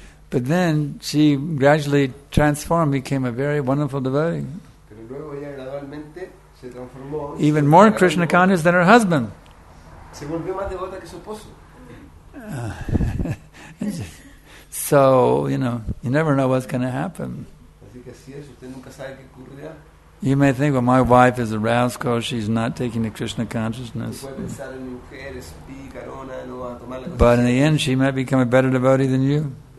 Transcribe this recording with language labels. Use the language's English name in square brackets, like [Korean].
[English] But then she gradually transformed, became a very wonderful devotee. [Spanish] Pero luego ella gradualmente se transformó, [English] even more Krishna conscious than her husband. [Spanish] Se volvió más devota que su esposo. [English] So, you know, you never know what's going to happen. [Spanish] Así que así es, usted nunca sabe qué ocurrirá. [English] You may think, well, my wife is a rascal, she's not taking the Krishna consciousness. But in the end, she might become a better devotee than you.